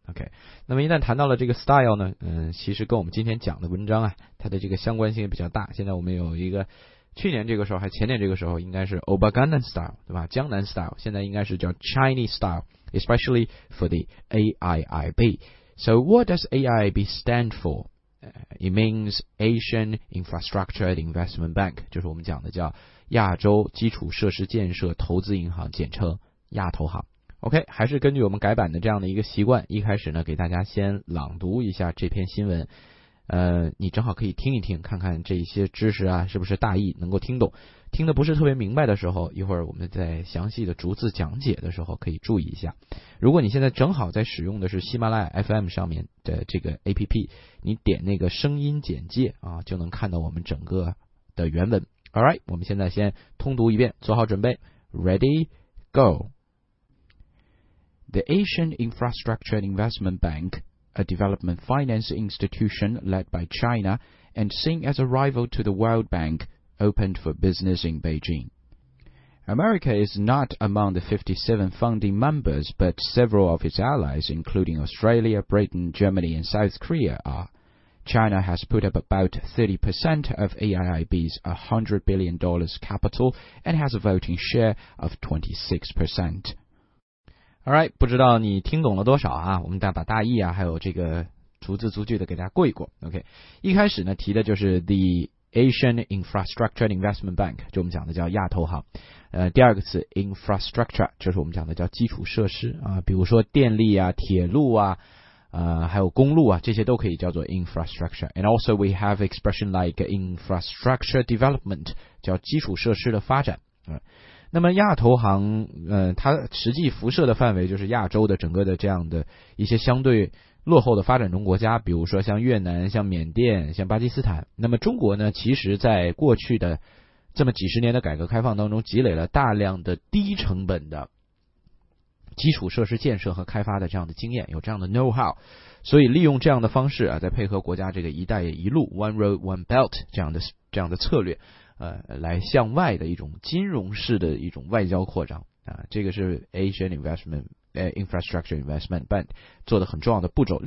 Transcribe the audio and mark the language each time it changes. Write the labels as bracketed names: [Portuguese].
[Chinese] OK， 那么一旦谈到了这个 Style 呢，其实跟我们今天讲的文章啊，它的这个相关性也比较大。现在我们有一个去年这个时候还前年这个时候应该是 Obagandan Style， 对吧，江南 Style， 现在应该是叫 Chinese Style， [English] especially for the AIIB。 So what does AIIB stand for? It means Asian Infrastructure Investment Bank， [Chinese] 就是我们讲的叫亚洲基础设施建设投资银行，简称亚投行。 OK， 还是根据我们改版的这样的一个习惯，一开始呢给大家先朗读一下这篇新闻，你正好可以听一听，看看这些知识啊是不是大意能够听懂，听得不是特别明白的时候，一会儿我们在详细的逐字讲解的时候可以注意一下。如果你现在正好在使用的是喜马拉雅 FM 上面的这个 APP， 你点那个声音简介啊，就能看到我们整个的原文。 Alright， 我们现在先通读一遍，做好准备， Ready Go。 [English] The Asian Infrastructure Investment BankA development finance institution led by China and seen as a rival to the World Bank, opened for business in Beijing. America is not among the 57 founding members, but several of its allies, including Australia, Britain, Germany and South Korea, are. China has put up about 30% of AIIB's $100 billion capital and has a voting share of 26%. [Chinese] Alright， 不知道你听懂了多少啊，我们再把大意啊还有这个逐字逐句的给大家过一过。 OK， 一开始呢提的就是 The Asian Infrastructure Investment Bank， 就我们讲的叫亚投行。第二个词 Infrastructure， 就是我们讲的叫基础设施啊，比如说电力啊，铁路啊，还有公路啊，这些都可以叫做 infrastructure。 [English] And also we have expression like infrastructure development， [Chinese] 叫基础设施的发展。那么亚投行，它实际辐射的范围就是亚洲的整个的这样的一些相对落后的发展中国家，比如说像越南、像缅甸、像巴基斯坦。那么中国呢，其实在过去的这么几十年的改革开放当中，积累了大量的低成本的基础设施建设和开发的这样的经验，有这样的 know how， 所以利用这样的方式啊，在配合国家这个一带一路 One Road One Belt 这样的策略，来向外的一种金融式的一种外交扩张啊，这个是 Asian Investment Infrastructure Investment Bank 做的很重要的步骤。